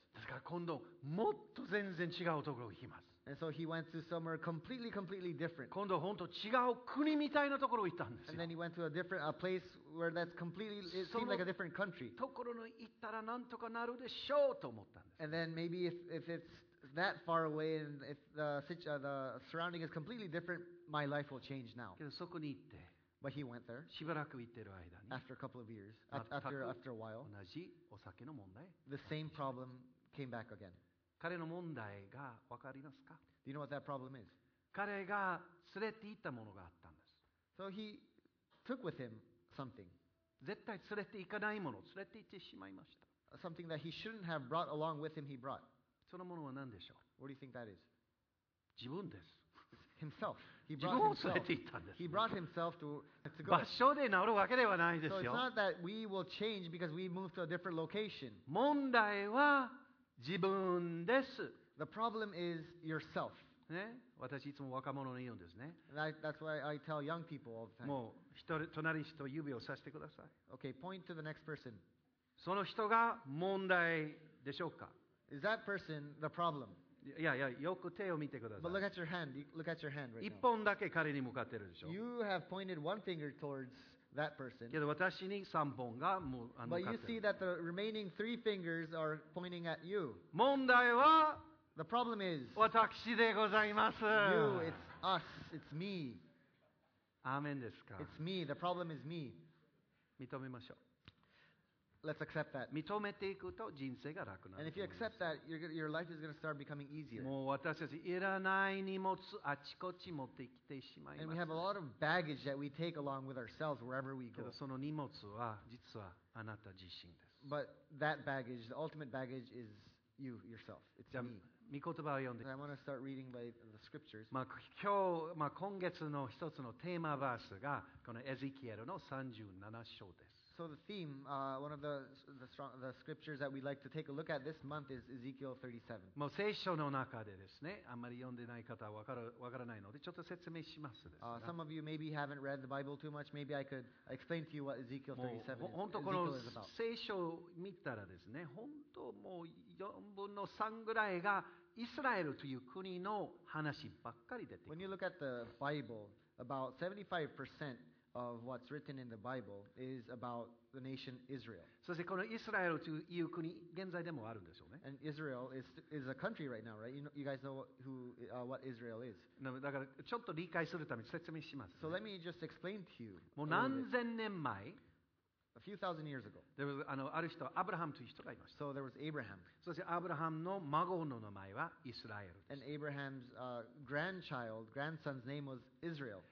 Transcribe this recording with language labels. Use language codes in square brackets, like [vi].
[ja] ですから今度もっと全然違うところに行きます。 [en] And so he went to somewhere completely, completely different. [ja] 今度本当違う国みたいなところに行ったんですよ。 [en] And then he went to a different, a place where that's completely, it seemed like a different country. [ja] そのところに行ったらなんとかなるでしょうと思ったんです。 [en] And then maybe if it's that far away and if the surrounding is completely different, my life will change now. [ja] けどそこに行って。 [en] But he went there. [ja] しばらく行ってる間に。 [en] After a couple of years, after a while, [ja] 同じお酒の問題。 [en] The same problem came back again. [ja] 彼の問題が分かりますか？ [en] Do you know what that problem is? [ja] 彼が連れて行ったものがあったんです。 [en] So he took with him something. [ja] 絶対連れて行かないもの、連れて行ってしまいました。 [en] Something that he shouldn't have brought along with him, he brought. [ja] そのものは何でしょう？ [en] What do you think that is? [ja] 自分です。 [en] Himself. He brought [ja] 自分を連れて行ったんです。 [en] He brought himself to go. [ja] 場所で治るわけではないですよ。 [en] So it's not that we will change because we moved to a different location. [ja] 問題は自分です。 [en] The problem is yourself. [ja] ね、私いつも若者に言うんですね。 [en] That's why I tell young people all the time. [ja] もう人隣人指をさしてください。 [en] Okay, point to the next person. [ja] その人が問題でしょうか。 [en] Is that person the problem? [ja] いやいや、よく手を見てください。 [en] But look at your hand. Look at your hand right now. [ja] 一本だけ彼に向かってるでしょ。 [en] You have pointed one finger towards that person. [ja] けど私に三本が向かってる。 [en] But you see that the remaining three fingers are pointing at you. [ja] 問題は、 [en] The problem is, [ja] 私でございます。 [en] You, it's us, it's me. [ja] アーメンですか。 [en] It's me, the problem is me. [ja] 認めましょう。 [en] Let's accept that. [ja] 認めていくと人生が楽になる。 [en] And if you accept that, your life is going to start becoming easier. [ja] もう私たちいらない荷物あちこち持ってきてしまいます。 [en] And we have a lot of baggage that we take along with ourselves wherever we go. [ja] けどその荷物は実はあなた自身です。 [en] But that baggage, the ultimate baggage is you, yourself. It's me. [ja] 御言葉を読んで。 [en] I want to start reading by the scriptures. [ja] まあ今日、まあ今月の一つのテーマバースがこのエゼキエルの37章です。 [en] So the theme, one of the scriptures that we'd like to take a look at this month is Ezekiel 37. [ja] もう聖書の中でですね、あんまり読んでない方はわからないので、ちょっと説明しますですが。 [en] Some of you maybe haven't read the Bible too much. Maybe I could explain to you what Ezekiel 37 is. [ja] 本当この聖書を見たらですね、本当もう4分の3ぐらいがイスラエルという国の話ばっかり出てくる。 [en] When you look at the Bible, about 75%of what's written in the Bible is about the nation Israel. [ja] そしてこのイスラエルという国現在でもあるんでしょうね。 [en] And Israel is a country right now, right? You guys know what Israel is. [ja] だからちょっと理解するために説明します、ね。 [en] So let me just explain to you. [ja] もう何千年前 [en] ？A few thousand years ago. There was [ja] ある人アブラハムという人がいました。 [en] So there was Abraham. [ja] そしてアブラハムの孫の名前はイスラエル。 [en] And Abraham's grandson's name was Israel.